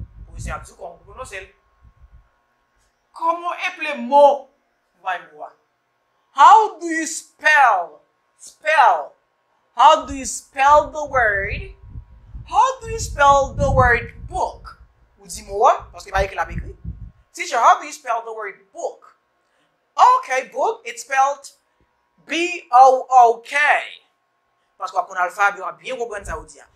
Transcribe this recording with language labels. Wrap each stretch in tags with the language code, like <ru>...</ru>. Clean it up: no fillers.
<fr>Vous avez dit comment je prononce ça? Comment appeler le mot? Vous voyez.</fr> <en>How do you spell? Spell. How do you spell the word? How do you spell the word book?</en> <fr>Vous dites moi, parce que vous avez écrit.</fr> <en>Teacher, how do you spell the word book? Ok, book, it's spelled B-O-O-K.</en> <fr>Parce qu'on a l'alphabet, on a bien compris ça aujourd'hui.</fr>